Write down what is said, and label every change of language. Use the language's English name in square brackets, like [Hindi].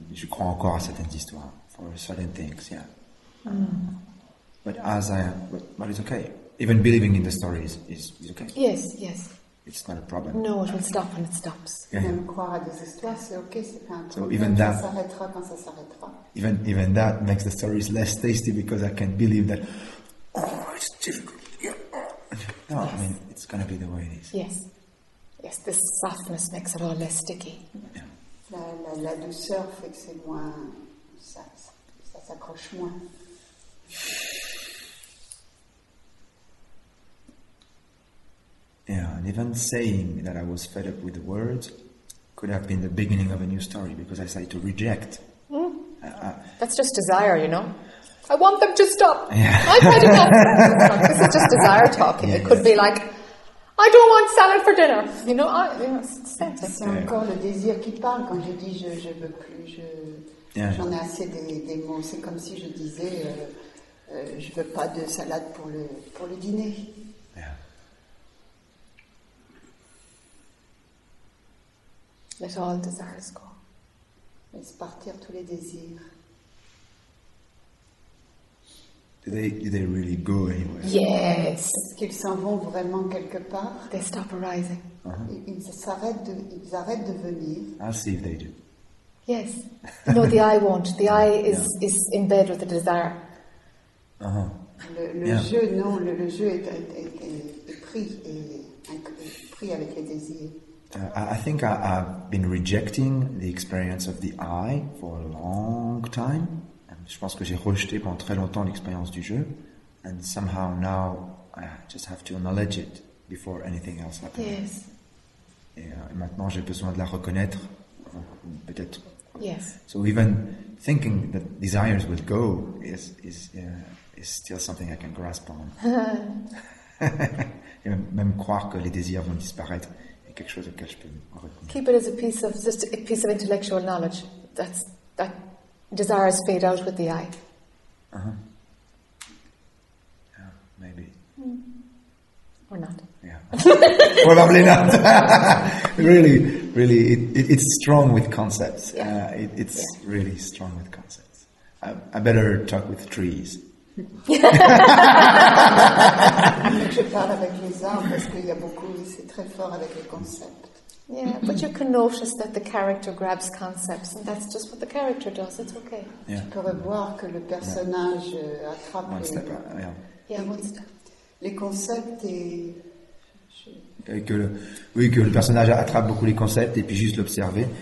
[French] Je crois encore à certaines histoires [English] for certain things. Yeah. Mm. But as I, but it's okay. Even believing in the stories is okay. Yes. Yes. It's not a problem. No, it will stop when it stops. Yeah. [French] Même croire à des histoires, c'est ok, c'est pas un problème. [English] So even that, [French] ça s'arrêtera quand ça s'arrêtera. [English] Even that makes the stories less tasty because I can believe that, oh, it's difficult. Yeah. No, yes. I mean, it's going to be the way it is. Yes. Yes, the softness makes it all less sticky. Yeah. [French] La douceur fait que c'est moins... Ça s'accroche moins. [English] Yeah, and even saying that I was fed up with the words could have been the beginning of a new story because I started to reject. Mm. That's just desire, you know? I want them to stop. Yeah. I've had enough. This is just desire talking. Yeah, it could be like, I don't want salad for dinner. You know, [French] c'est encore le désir qui parle quand je dis je veux plus, j'en ai assez des mots. C'est comme si je disais je veux pas de salade pour le dîner. [English] Let all desires go. [French] Laisse partir tous les désirs. [English] Do they really go anywhere? Yes. [French] Est-ce qu'ils s'en vont vraiment quelque part? [English] They stop arising. Uh-huh. [French] Ils arrêtent de venir. [English] I'll see if they do. Yes. No, the eye won't. The eye is in bed with the desire. Uh-huh. [French] Le jeu est pris avec les désirs. [English] I think I've been rejecting the experience of the I for a long time. [French] Je pense que j'ai rejeté pendant très longtemps l'expérience du jeu. [English] And somehow now I just have to acknowledge it before anything else happens. Yes. [French] Et maintenant j'ai besoin de la reconnaître, peut-être. [English] Yes. So even thinking that desires will go is still something I can grasp on. [French] Et même croire que les désirs vont disparaître. Quelque chose auquel je peux retenir. [English] Keep it as a piece of intellectual knowledge. That's that desires fade out with the eye. Uh-huh. Yeah, maybe. Or not. Yeah. Probably not. Really, really, it's strong with concepts. Yeah. Really strong with concepts. I better talk with trees. [French] Je parle avec les arbres parce qu'il y a beaucoup, c'est très fort avec les concepts. [English] Yeah, but you can notice that the character grabs concepts, and that's just what the character does. It's okay. Yeah. [French] Tu pourrais voir que le personnage attrape les concepts que le personnage attrape beaucoup les concepts et puis juste l'observer.